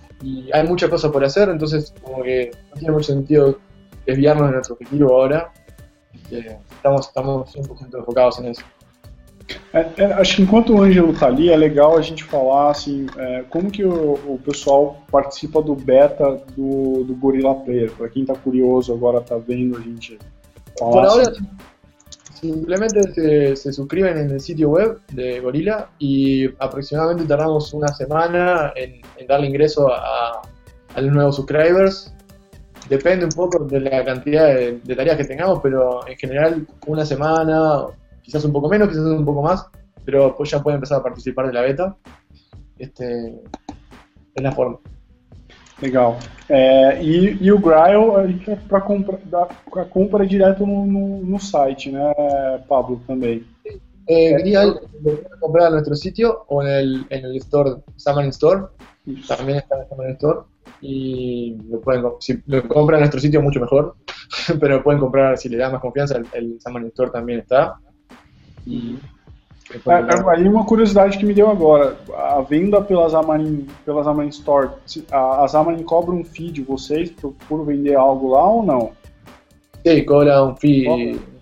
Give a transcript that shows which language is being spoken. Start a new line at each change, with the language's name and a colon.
Portuguese: E há muita coisa por fazer, então, como que não tem muito sentido desviarnos de nuestro objetivo ahora.
Spanish: Estamos 100% enfocados en eso.
Portuguese: Acho que enquanto o Ângelo está ali, é legal a gente falar assim, como que o pessoal participa do beta do Gorilla Player, para quem está curioso agora, está vendo a gente falar.
Spanish: Por ahora, simplemente se suscriben en el sitio web de Gorilla y aproximadamente tardamos una semana en darle ingreso a los nuevos subscribers. Depende un poco de la cantidad de tareas que tengamos, pero en general una semana, quizás un poco menos, quizás un poco más, pero pues ya pueden empezar a participar de la beta. Es la forma. Legal. Y el Grile es para la compra directa no site, ¿no, Pablo, también? Grile lo pueden comprar en nuestro sitio o en el store, Xamarin Store. También está en el Xamarin Store. y lo pueden, si lo compran en nuestro sitio mucho mejor, pero lo pueden comprar si le da más confianza, el Xamarin Store también está.
Portuguese: Aí uma curiosidade que me deu agora, a venda pela Xamarin Store, a Xamarin cobra um fee de vocês por vender algo lá ou não? Sim, cobra um fee.